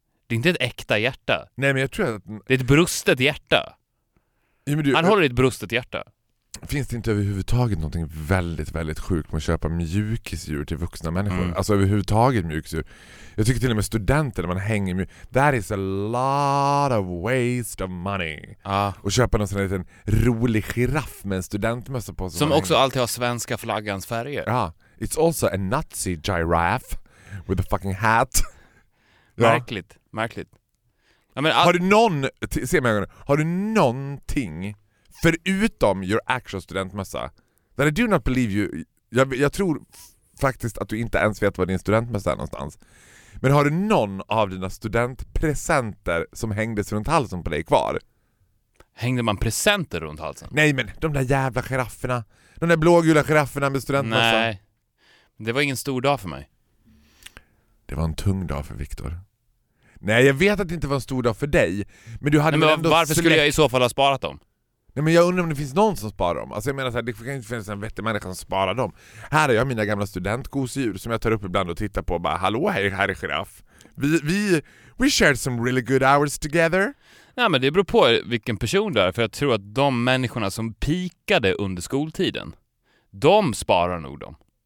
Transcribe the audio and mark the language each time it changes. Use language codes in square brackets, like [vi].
[sv] Det är inte ett äkta hjärta. Nej, men jag tror att... Det är ett brustet hjärta. Ja, men du, han håller ett brustet hjärta. Finns det inte överhuvudtaget någonting väldigt, väldigt sjukt med att köpa mjukisdjur till vuxna människor? Mm. Alltså överhuvudtaget mjukisdjur. Jag tycker till och med studenter när man hänger med... [en] That is a lot of waste of money. [sv] Och köpa någon sån här liten rolig giraff med en studentmössa på sig. Som också alltid har svenska flaggans färger. Ja. [en] It's also a Nazi giraffe with a fucking hat. [sv] Ja. Märkligt. Ja, men har du någon, se mig igen, har du någonting förutom [en] your actual studentmössa that I do not believe you, [sv] jag tror faktiskt att du inte ens vet vad din studentmössa är någonstans, men har du någon av dina studentpresenter som hängdes runt halsen på dig kvar? Hängde man presenter runt halsen? Nej, men de där jävla girafferna, de där blågula girafferna med studentmössa. Nej, det var ingen stor dag för mig. Det var en tung dag för Viktor. Nej, jag vet att det inte var en stor dag för dig. Men du hade ändå... Varför skulle jag i så fall ha sparat dem? Nej, men jag undrar om det finns någon som sparar dem. Alltså jag menar så här, det kan inte finnas en vettig människa som sparar dem. Här har jag mina gamla studentgosedjur som jag tar upp ibland och tittar på. Och bara, hallå, hej, här är giraff. [en] We shared some really good hours together. [sv] Nej, men det beror på vilken person du är. För jag tror att de människorna som pikade under skoltiden, de sparar nog dem.